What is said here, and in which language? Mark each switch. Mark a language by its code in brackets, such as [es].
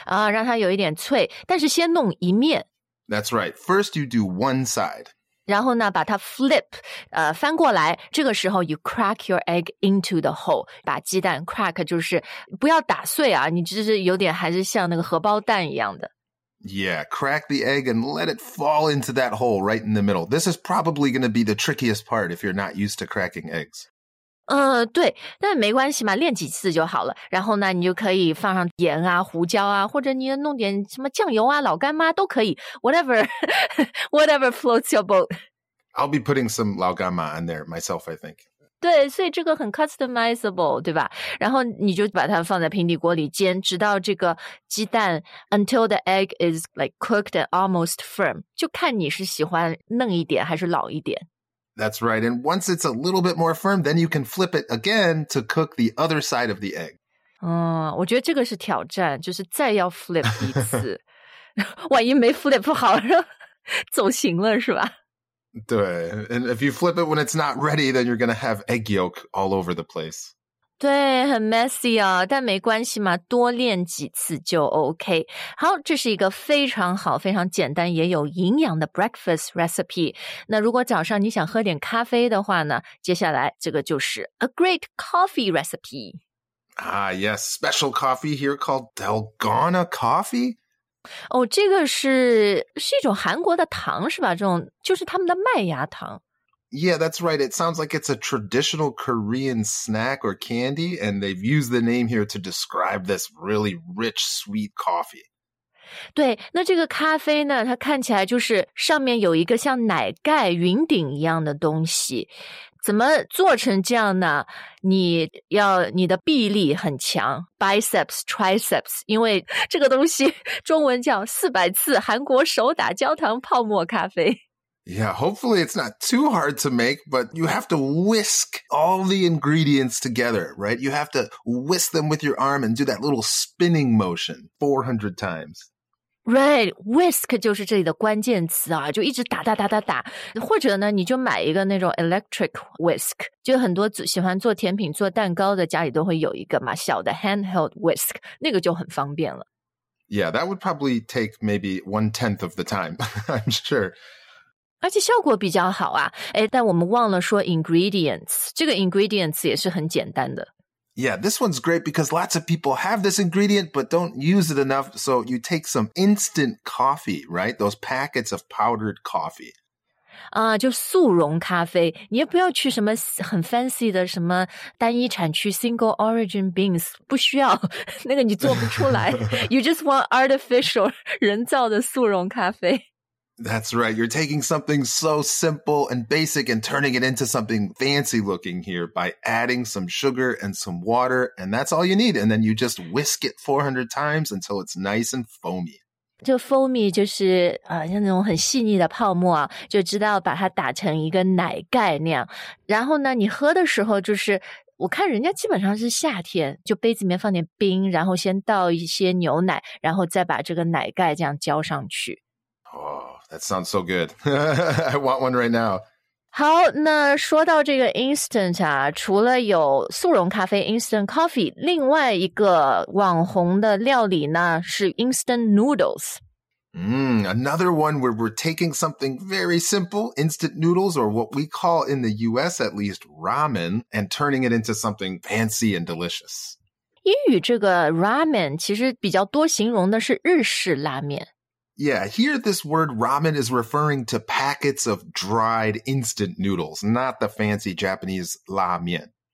[zh] 让它有一点脆，但是先弄一面。 [en] That's right. First, you do one side. [zh] 然后呢，把它 [en] flip， [zh] 翻过来。这个时候 ， [en] you crack your egg into the hole， [zh] 把鸡蛋 [en] crack [zh] 就是不要打碎啊，你就是有点还是像那个荷包蛋一样的。 [en] Yeah, crack the egg and let it fall into that hole right in the middle. This is probably going to be the trickiest part if you're not used to cracking eggs. [zh] 对，但没关系嘛，练几次就好了。然后呢，你就可以放上盐啊、胡椒啊，或者你弄点什么酱油啊、老干妈都可以 ， [en] whatever, whatever floats your boat. I'll be putting some 老干妈 in there myself, I think. [zh] 对，所以这个很 [en] customizable, [zh] 对吧？然后你就把它放在平底锅里煎，直到这个鸡蛋 [en] until the egg is like cooked and almost firm. [zh] 就看你是喜欢嫩一点还是老一点。 [en] That's right. And once it's a little bit more firm, then you can flip it again to cook the other side of the egg. [zh] 我觉得这个是挑战，就是再要 [en] flip [zh] 一次。万一没 [en] flip [zh] 好，走形了是吧？对。 [en] And if you flip it when it's not ready, then you're going to have egg yolk all over the place. [zh] 对，很 [en] messy [zh] 啊，但没关系嘛，多练几次就 [en] OK。 [zh] 好，这是一个非常好、非常简单也有营养的 [en] breakfast recipe。 [zh] 那如果早上你想喝点咖啡的话呢，接下来这个就是 [en] a great coffee recipe。 Ah, yes, special coffee here called Dalgona coffee. [zh] 哦，这个是一种韩国的糖是吧？这种就是他们的麦芽糖。 [en] Yeah, that's right. It sounds like it's a traditional Korean snack or candy, and they've used the name here to describe this really rich, sweet coffee. [zh] 对，那这个咖啡呢，它看起来就是上面有一个像奶盖云顶一样的东西。怎么做成这样呢？你要你的臂力很强 ， [en] biceps, triceps, [zh] 因为这个东西中文叫400次韩国手打焦糖泡沫咖啡。 [en] Yeah, hopefully it's not too hard to make, but you have to whisk all the ingredients together, right? You have to whisk them with your arm and do that little spinning motion 400 times. Right, whisk [zh] 就是这里的关键词啊，就一直打打打打打。或者呢，你就买一个那种 [en] electric whisk， [zh] 就很多喜欢做甜品、做蛋糕的家里都会有一个嘛，小的 [en] handheld whisk， [zh] 那个就很方便了。 [en] Yeah, that would probably take maybe 1/10 of the time, I'm sure. [zh] 而且效果比较好啊，哎，但我们忘了说 [en] ingredients， [zh] 这个 ingredients 也是很简单的。 [en] Yeah, this one's great because lots of people have this ingredient but don't use it enough. So you take some instant coffee, right? Those packets of powdered coffee. [zh] 啊、就速溶咖啡，你也不要去什么很 [en] fancy [zh] 的什么单一产区 [en] single origin beans， [zh] 不需要，那个你做不出来。 [en] You just want artificial [zh] 人造的速溶咖啡。 [en] That's right. You're taking something so simple and basic and turning it into something fancy looking here by adding some sugar and some water, and that's all you need. And then you just whisk it 400 times until it's nice and foamy. [zh] 就 [en] foamy [zh] 就是、像那种很细腻的泡沫、啊、就知道把它打成一个奶盖那样。然后呢，你喝的时候就是我看人家基本上是夏天，就杯子里面放点冰，然后先倒一些牛奶，然后再把这个奶盖这样浇上去。 [en] Oh, that sounds so good. I want one right now. [zh] 好，那说到这个 [en] instant [zh] 啊，除了有速溶咖啡 [en] instant coffee， [zh] 另外一个网红的料理呢是 [en] instant noodles. Another one where we're taking something very simple, instant noodles, or what we call in the U.S. at least ramen, and turning it into something fancy and delicious. [zh] 英语这个 ramen 其实比较多形容的是日式拉面。 [en] Yeah, here this word ramen is referring to packets of dried instant noodles, not the fancy Japanese la mian.